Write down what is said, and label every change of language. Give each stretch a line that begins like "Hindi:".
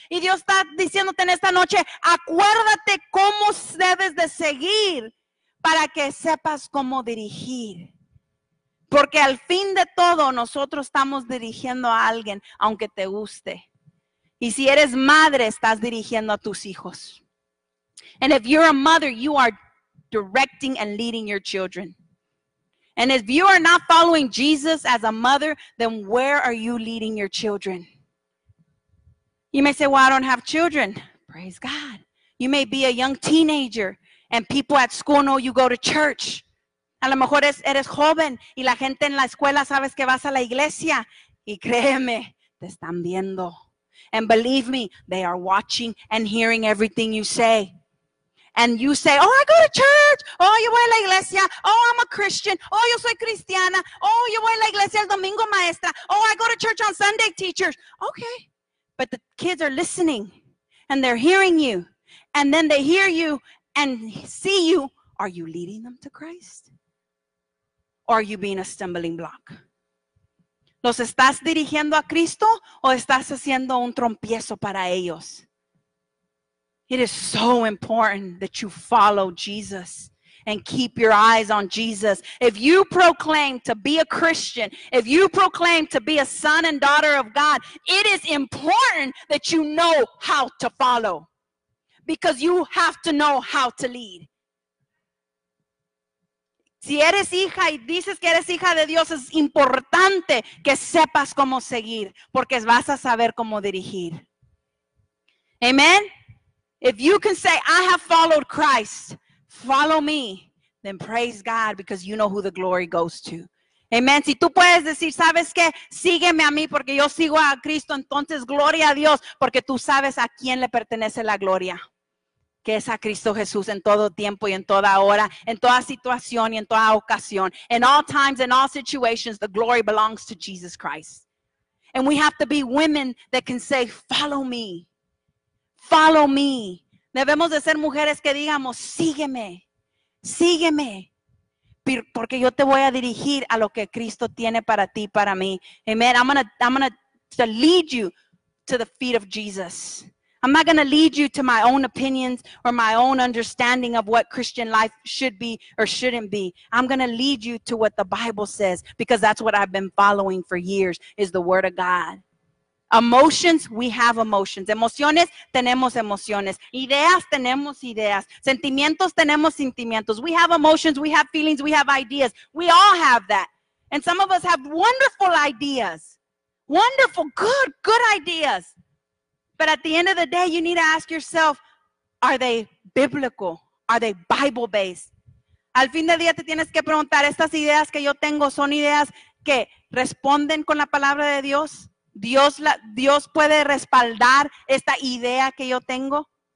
Spanish: Y Dios está diciéndote en esta noche, acuérdate cómo debes de seguir para que sepas cómo dirigir. Porque al fin de todo, nosotros estamos dirigiendo a alguien, aunque te guste. Y si eres madre, estás dirigiendo a tus hijos.
English: And if you're a mother, you are directing and leading your children. And if you are not following Jesus as a mother, then where are you leading your children? You may say, well, I don't have children. Praise God. You may be a young teenager and people at school know you go to church.
Spanish: A lo mejor eres joven y la gente en la escuela sabes que vas a la iglesia. Y créeme, te están viendo.
English: And believe me, they are watching and hearing everything you say. And you say, oh, I go to church.
Spanish: Oh, yo voy a la iglesia.
English: Oh, I'm a Christian.
Spanish: Oh, yo soy cristiana. Oh, yo voy a la iglesia el domingo, maestra.
English: Oh, I go to church on Sunday, teachers. Okay. But the kids are listening and they're hearing you. And then they hear you and see you. Are you leading them to Christ? Or are you being a stumbling block?
Spanish: ¿Los estás dirigiendo a Cristo o estás haciendo un trompiezo para ellos?
English: It is so important that you follow Jesus and keep your eyes on Jesus. If you proclaim to be a Christian, if you proclaim to be a son and daughter of God, it is important that you know how to follow because you have to know how to lead.
Spanish: Si eres hija y dices que eres hija de Dios, es importante que sepas cómo seguir porque vas a saber cómo dirigir. Amen.
English: If you can say, I have followed Christ, follow me, then praise God because you know who the glory goes to.
Spanish: Amen. Si tú puedes decir, ¿sabes qué? Sígueme a mí porque yo sigo a Cristo. Entonces, gloria a Dios porque tú sabes a quién le pertenece la gloria. Que es a Cristo Jesús en todo tiempo y en toda hora, en toda situación y en toda ocasión.
English: In all times, in all situations, the glory belongs to Jesus Christ. And we have to be women that can say, follow me. Follow me.
Spanish: Debemos de ser mujeres que digamos, sígueme, sígueme. Porque yo te voy a dirigir a lo que Cristo tiene para ti, para mí. Amen.
English: I'm gonna lead you to the feet of Jesus. I'm not going to lead you to my own opinions or my own understanding of what Christian life should be or shouldn't be. I'm going to lead you to what the Bible says because that's what I've been following for years is the Word of God. Emotions, we have emotions.
Spanish: Emociones, tenemos emociones. Ideas, tenemos ideas. Sentimientos, tenemos sentimientos.
English: We have emotions, we have feelings, we have ideas. We all have that. And some of us have wonderful ideas. Wonderful, good ideas. But at the end of the day, you need to ask yourself, are they biblical? Are they Bible-based?
Spanish: Al fin del día, te tienes que preguntar, ¿estas ideas que yo tengo son ideas que responden con la palabra de Dios? ¿Dios puede respaldar esta idea que yo tengo?